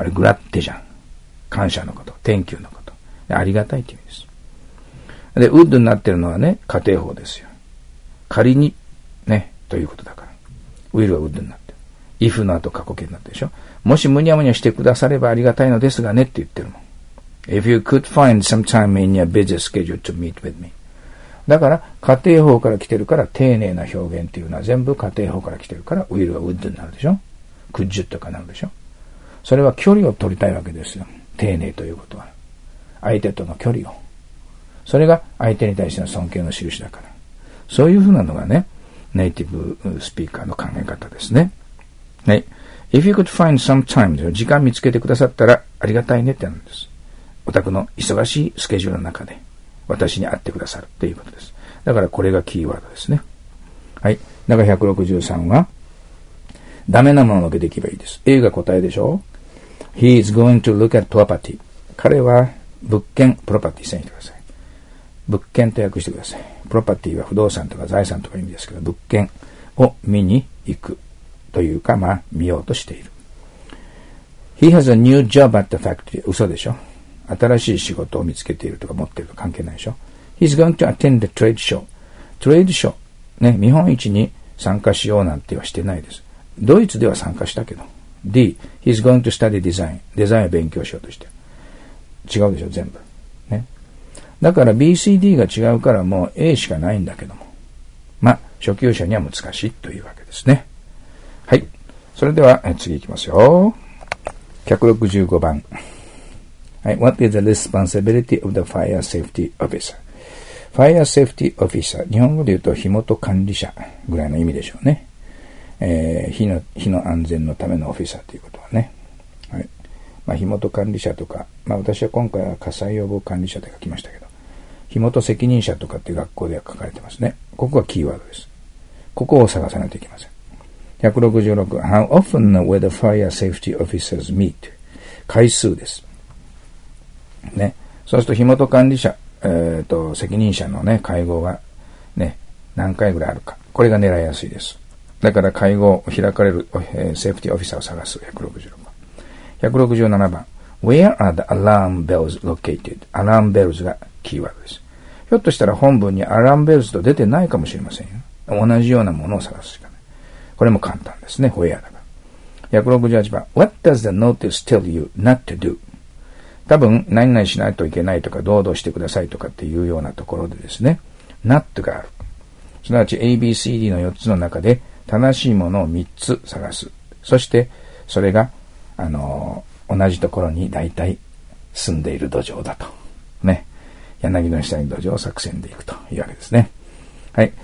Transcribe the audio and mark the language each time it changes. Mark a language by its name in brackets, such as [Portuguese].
[Japanese] あれ、グラッテじゃん。感謝のこと。thank you のこと。ありがたいって意味です。で、would になってるのはね、仮定法ですよ。仮に、ね、ということだから。 will は would になって。 if の後過去形になってでしょ。もしむにゃむにゃしてくださればありがたいのですがねって言ってるもん。 [English] if you could find some time in your busy schedule to meet with me. [Japanese] だから、仮定法から来てるから、丁寧な表現っていうのは全部仮定法から来てるから、will は would になるでしょ。くじゅとかなるでしょ。それは距離を取りたいわけですよ。丁寧ということは相手との距離を、それが相手に対しての尊敬の印だから、そういうふうなのがね、ネイティブスピーカーの考え方ですね。はい。 [English] If you could find some time、 [Japanese] 時間見つけてくださったらありがたいねってなんです。お宅の忙しいスケジュールの中で私に会ってくださるっていうことです。だからこれがキーワードですね。はい。だから163はダメなものだけでいけばいいです。 A が答えでしょ。 [English] He is going to look at property、 [Japanese] 彼は物件、プロパティ線にしてください。物件と訳してください。プロパティは不動産とか財産とか意味ですけど、物件を見に行くというか、まあ見ようとしている。 [English] He has a new job at the factory、 [Japanese] 嘘でしょ。新しい仕事を見つけているとか持っていると関係ないでしょ。 [English] He's going to attend the trade show、 [Japanese] トレードショーね、見本市に参加しようなんてはしてないです。ドイツでは参加したけど。 [English] D. He's going to study design、 [Japanese] デザインを勉強しようとしてる。違うでしょ全部ね。だから BCD が違うからもう A しかないんだけども、まあ初級者には難しいというわけですね。はい。それでは次いきますよ。 165番、はい。 [English] What is the responsibility of the fire safety officer? [Japanese] Fire safety officer、 日本語で言うと火元管理者ぐらいの意味でしょうね。火の安全のためのオフィサーということはね。はい。まあ、火元管理者とか、まあ、私は今回は火災予防管理者で書きましたけど、火元責任者とかって学校では書かれてますね。ここがキーワードです。ここを探さないといけません。 166。 [English] How often were the fire safety officers meet? [Japanese] 回数です。ね。そうすると、火元管理者、責任者のね、会合がね、何回ぐらいあるか。これが狙いやすいです。だから会合を開かれる、セーフティーオフィサーを探す。 166番。167番。 [English] Where are the alarm bells located? [Japanese] アラームベルズがキーワードです。ひょっとしたら本文にアラームベルズと出てないかもしれませんよ。同じようなものを探すしかない。これも簡単ですね。Where だから。168番。 [English] What does the notice tell you not to do? [Japanese] 多分、何々しないといけないとか、堂々してくださいとかっていうようなところでですね。 not がある。すなわち ABCD の4つの中で正しいものを3つ探す。そしてそれが同じところに大体住んでいる土壌だとね、柳の下に土壌を作戦でいくというわけですね。はい。